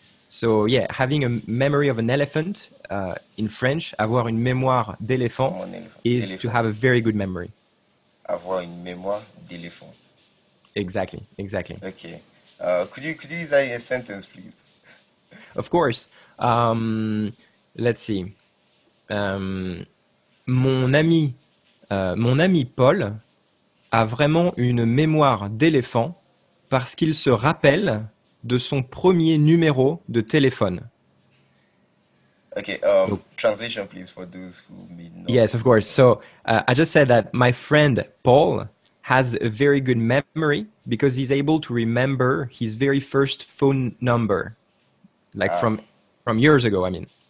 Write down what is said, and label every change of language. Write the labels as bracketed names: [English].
[English] So yeah, having a memory of an elephant, in French, [French] avoir une mémoire d'éléphant, [English] is to have a very good memory. [French] Avoir une mémoire d'éléphant. [English] Exactly, exactly. Okay. Could you use that in a sentence, please? Of course. Let's see. [French] Mon ami Paul a vraiment une mémoire d'éléphant parce qu'il se rappelle de son premier numéro de téléphone. [English] Okay, translation, please, for those who may not. Yes, of course. So I just said that my friend Paul has a very good memory because he's able to remember his very first phone number, like from years ago, I mean.